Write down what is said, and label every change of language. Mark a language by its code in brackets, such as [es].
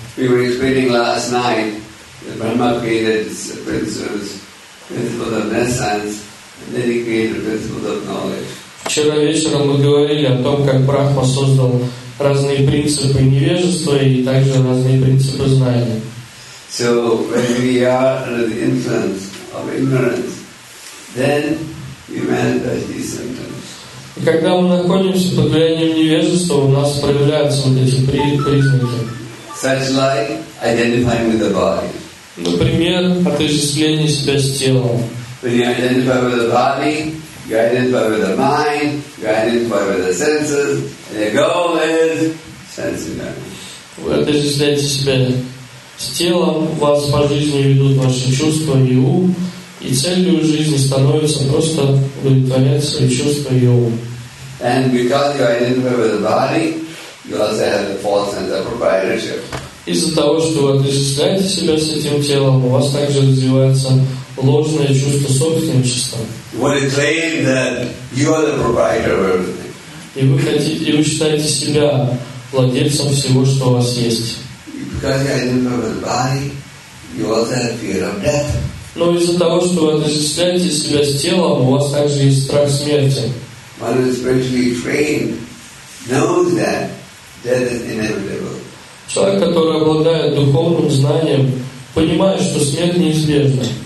[en] We were explaining last night that Brahma created the principles, principles of essence, and then he created principles of knowledge. [ru] Вчера вечером мы говорили о том, как Брахма создал разные принципы невежества и также разные принципы знания. [en] So when we are under the influence of ignorance, then we manifest these symptoms. [ru] И когда мы находимся под влиянием невежества, у нас проявляются вот эти признаки. [en] Such like identifying with the body. [ru] Например, отождествление себя с телом. [en] When you identify with the body, you identify with the mind, you identify with the senses, and the goal is sensing them. [ru] Вы отождествляете себя с телом, вас по жизни ведут ваши чувства и ум, и целью жизни становится просто удовлетворять свои чувства и ум. [en] And because you identify with the body, you also have the false sense of proprietorship. [ru] Из-за того, что вы отождествляете себя с этим телом, у вас также развивается ложное чувство собственничества. [en] You want to claim that you are the proprietor of everything. [ru] И вы хотите, и вы считаете себя владельцем всего, что у вас есть. Но из-за того, что вы отождествляете себя с телом, у вас также есть страх смерти. Человек, который обладает духовным знанием, понимает, что смерть неизбежна.